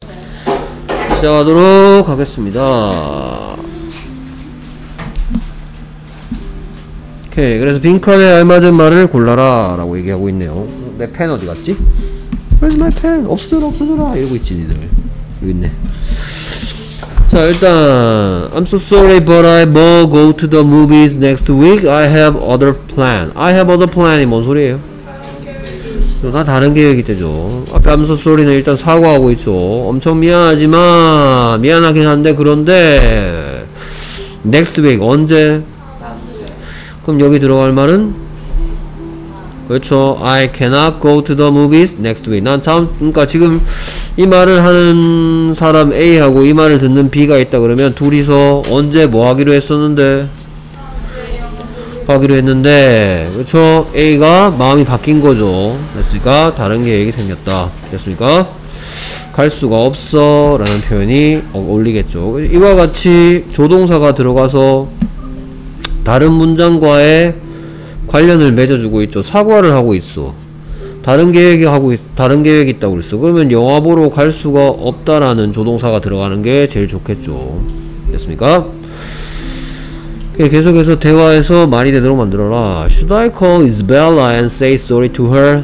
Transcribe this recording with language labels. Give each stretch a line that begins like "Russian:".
Korean: 시작하도록 하겠습니다. 오케이. 그래서 빈칸에 알맞은 말을 골라라 라고 얘기하고 있네요. 내 펜 어디 갔지?
English: Where's my pen?
Korean: 없어져라 없어져라 이러고 있지 니들. 여기 있네. 자 일단
English: I'm so sorry but I won't go to the movies next week. I have other plan. I have other plan이
Korean: 뭔 소리예요? 나 다른 계획이 되죠. 앞에
English: I'm so sorry
Korean: 는 일단 사과하고 있죠. 엄청 미안하지만 미안하긴 한데 그런데
English: next week
Korean: 언제? 그럼 여기 들어갈 말은? 그렇죠.
English: I cannot go to the movies next week.
Korean: 난 다음 그러니까 지금 이 말을 하는 사람 A하고 이 말을 듣는 B가 있다 그러면 둘이서 언제 뭐 하기로 했었는데 하기로 했는데 그렇죠. A가 마음이 바뀐 거죠. 됐습니까? 다른 계획이 생겼다. 됐습니까? 갈 수가 없어 라는 표현이 어울리겠죠. 이와 같이 조동사가 들어가서 다른 문장과의 관련을 맺어주고 있죠. 사과를 하고 있어. 다른 계획이 하고 있, 다른 계획이 있다고 그랬어. 그러면 영화 보러 갈 수가 없다라는 조동사가 들어가는 게 제일 좋겠죠. 됐습니까? 계속해서 대화에서 말이 되도록 만들어라.
English: Should I call Isabella and say sorry to her?